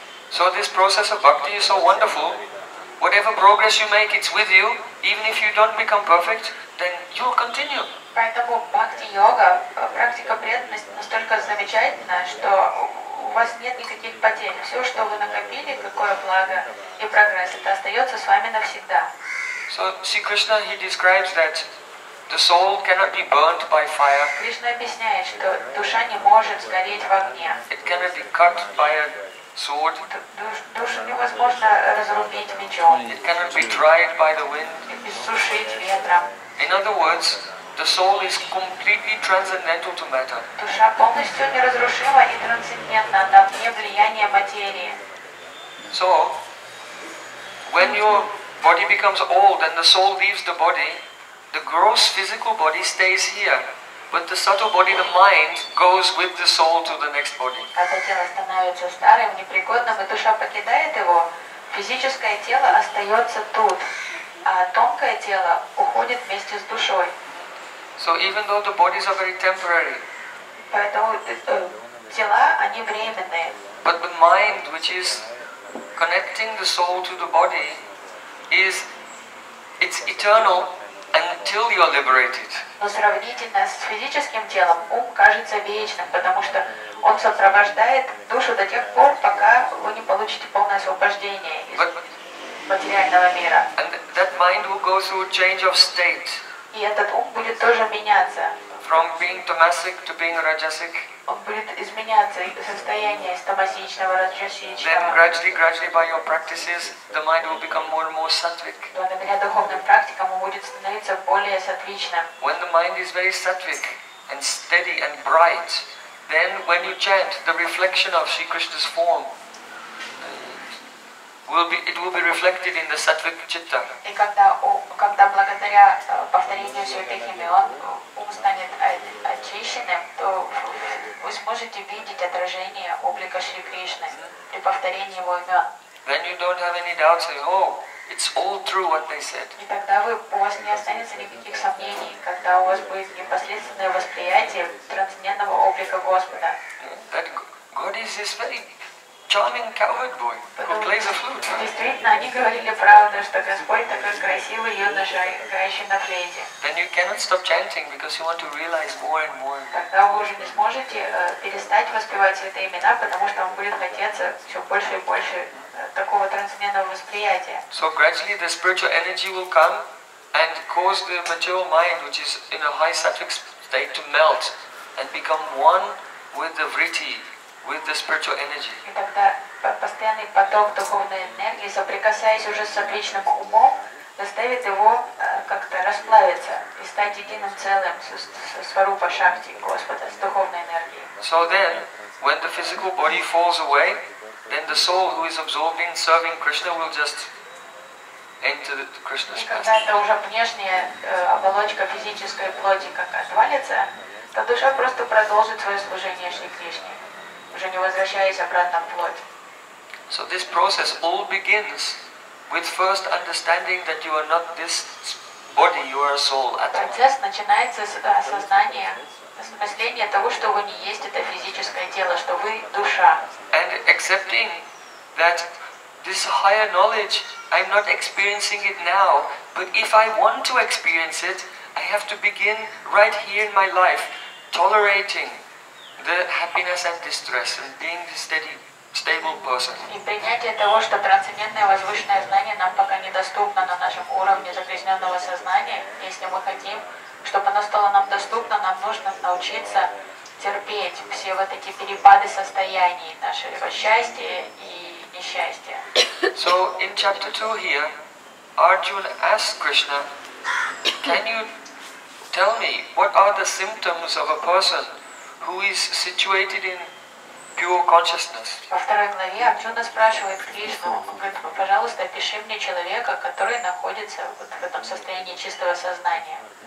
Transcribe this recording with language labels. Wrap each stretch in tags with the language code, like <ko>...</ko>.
<en>So this process of bhakti is so wonderful. Whatever progress you make, it's with you. Even if you don't become perfect, then you'll continue.</en> <ru>Поэтому бхакти йога, практика преданности настолько замечательна, что у вас нет никаких потерь. Все, что вы накопили, какое благо и прогресс, это остается с вами навсегда.</ru> <en>So, see, Krishna, he describes that the soul cannot be burnt by fire.</en> <ru>Кришна объясняет, что душа не может сгореть в огне.</ru> <en>It cannot be cut by a sword.</en> <ru>Душу невозможно разрубить мечом.</ru> <en>It cannot be dried by the wind.</en> <ru>Иссушить ветром.</ru> <en>In other words, the soul is completely transcendental to matter.</en> <ru>Душа полностью неразрушима и трансцендентна, она вне влияния материи.</ru> <en>So, when your body becomes old and the soul leaves the body, the gross physical body stays here. But the subtle body, the mind, goes with the soul to the next body.</en> <ru>Когда тело становится старым, непригодным, и душа покидает его, физическое тело остается тут, а тонкое тело уходит вместе с душой.</ru> <en>So even though the bodies are very temporary,</en> <ru>поэтому тела, они временные.</ru> <en>But the mind, which is connecting the soul to the body, is it's eternal until you are liberated.</en> <ru>Но сравнительно с физическим телом, ум кажется вечным, потому что он сопровождает душу до тех пор, пока вы не получите полное освобождение материального мира.</ru> <en>And that mind will go through change of state.</en> <ru>И этот ум будет тоже меняться.</ru> <en>From being tamasic to being rajasic.</en> <ru>Он будет изменяться состояние из тамасичного раджасичного.</ru> <en>Then gradually by your practices the mind will become more and more сатвик.</en> <ru>Благодаря духовным практикам он будет становиться более сатвичным.</ru> <en>When the mind is very сатвик and steady and bright, then when you chant, the reflection of Sri Krishna's form will be reflected in the sattvic chitta.</en> <ru>И когда благодаря повторению святых имен ум станет очищенным, то вы сможете видеть отражение облика Шри Кришны при повторении его имен.</ru> <en>Then you don't have any doubts. Say, oh, it's all true what they said.</en> <ru>И тогда у вас не останется никаких сомнений, когда у вас будет непосредственное восприятие трансцендентного облика Господа.</ru> <en>That God is this very charming cowherd boy who plays a flute.</en> <ru>Действительно, они говорили правду, что Господь такой красивый юноша, играющий на флейте.</ru> <en>Then you cannot stop chanting because you want to realize more and more.</en> <ru>Тогда вы уже не сможете перестать воспевать святые имена, потому что вам будет хотеться все больше и больше такого трансцендентного восприятия.</ru> <en>So gradually the spiritual energy will come and cause the material mind, which is in a high sattvic state, to melt and become one with the vritti, with the spiritual energy.</en> <ru>И тогда постоянный поток духовной энергии, соприкасаясь уже с сатвичным умом, заставит его как-то расплавиться и стать единым целым со сварупа шакти Господа, с духовной энергией.</ru> <en>So then, when the physical body falls away, then the soul who is absorbed in serving Krishna will just enter the Krishna's pastime.</en> <ru>Когда это уже внешняя оболочка физической плоти как отвалится, то душа просто продолжит свое служение Шри Кришне, уже не возвращаясь обратно в плоть.</ru> <en>So this process all begins with first understanding that you are not this body, you are a soul.</en> <ru>Процесс начинается с осознания, с мысления того, что вы не есть это физическое тело, что вы душа.</ru> <en>And accepting that this higher knowledge, I'm not experiencing it now, but if I want to experience it, I have to begin right here in my life, tolerating the happiness and distress and being the steady, stable person.</en> <ru>И принятие того, что трансцендентное возвышенное знание нам пока недоступно на нашем уровне загрязненного сознания, если мы хотим, чтобы оно стало нам доступно, нам нужно научиться терпеть все вот эти перепады состояний нашего счастья и несчастья.</ru> <en>So in chapter 2 here, Arjuna asks Krishna, can you tell me what are the symptoms of a person who is situated in pure consciousness?</en> <ru>Во второй главе Арджуна спрашивает Кришну, говорит, пожалуйста, опиши мне человека, который находится вот в этом состоянии чистого сознания.</ru>